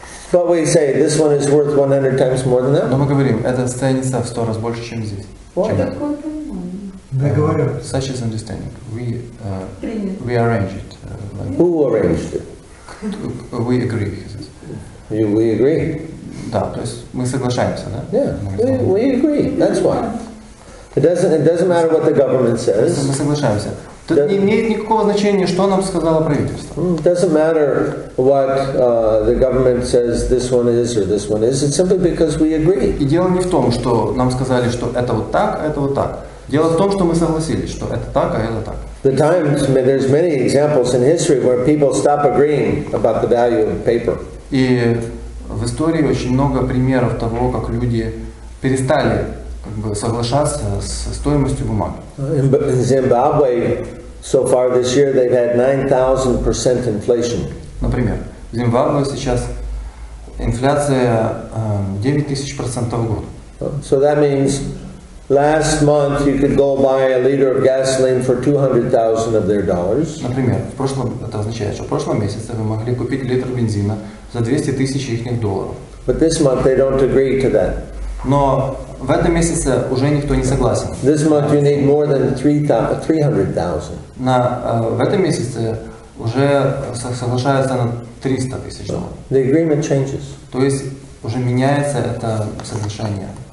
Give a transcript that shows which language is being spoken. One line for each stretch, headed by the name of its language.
English: But we say this one is worth 100 times more than that.
Russian: Но мы говорим, это ценится в 100 раз больше, чем здесь.
English: What? Such is understanding. We arranged it. Who arranged it? We agree. He says. We agree.
Russian: Да, то есть мы соглашаемся, да?
English: Yeah. We agree. That's why. It doesn't matter what the government says.
Russian: Мы соглашаемся. Тут не имеет никакого значения, что нам сказало правительство.
English: It doesn't matter what the government says this one is or this one is. It's simply because we agree.
Russian: И дело не в том, что нам сказали, что это вот так, а это вот так. Дело в том, что мы согласились, что это так, а это так.
English: The times, I mean, there's many examples in history where people stop agreeing about the value of paper.
Russian: И в истории очень много примеров того, как люди перестали соглашаться с стоимостью бумаги.
English: In Zimbabwe, so far this year, they've had 9,000% inflation.
Russian: Например, в Зимбабве сейчас инфляция 9000% в год.
English: So that means last month you could go buy a liter of gasoline for 200,000 of their dollars.
Russian: Например, в прошлом, это означает, что в прошлом месяце вы могли купить литр бензина за 200,000 их долларов.
English: But this month they don't agree to that.
Russian: Но в этом месяце уже никто не согласен.
English: This month you need more than 300,000.
Russian: На в этом месяце уже соглашается на 300,000.
English: The agreement changes.
Russian: То есть уже меняется это соглашение.